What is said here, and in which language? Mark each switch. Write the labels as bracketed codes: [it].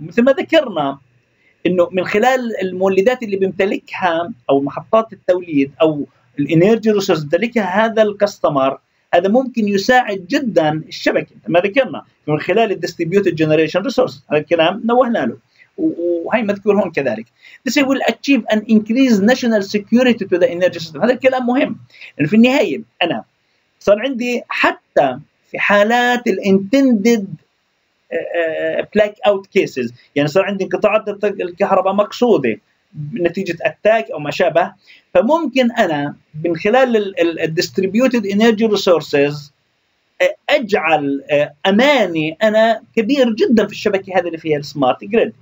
[ar] مثل ما ذكرنا أنه من خلال المولدات اللي بيمتلكها أو محطات التوليد أو الانيرجي ريسورس بيمتلكها هذا الكاستمر، هذا ممكن يساعد جدا الشبكة. ما ذكرنا من خلال الديستريبيوتد جنريشن ريسورس، هذا الكلام نوهنا له وهي مذكور هون كذلك. [en] This will achieve and increase national security to the energy system. [ar] هذا الكلام مهم، لأن في النهاية أنا صار عندي حتى في حالات الـ [en] intended blackout cases، [ar] يعني صار عندي انقطاعات الكهرباء مقصودة نتيجة attack أو ما شابه، فممكن أنا من خلال الـ distributed energy resources اجعل اماني انا كبير جدا في الشبكه هذه اللي فيها السمارت جريد.